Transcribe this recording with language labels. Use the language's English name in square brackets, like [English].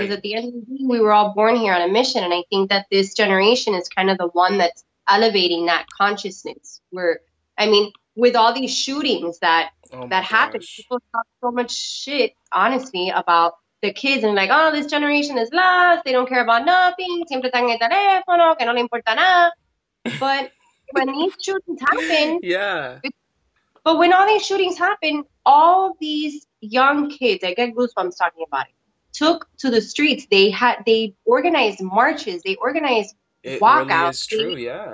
[English] Because at the end of the day, we were all born here on a mission. And I think that this generation is kind of the one that's elevating that consciousness. With all these shootings that happen, people talk so much shit, honestly, about the kids and like, oh, this generation is lost. They don't care about nothing. [Spanish] Siempre están en teléfono, que no le importa nada. [English] But when these shootings happen, all these young kids, I get goosebumps talking about it, took to the streets. They organized marches. They organized walkouts. It really is true, yeah.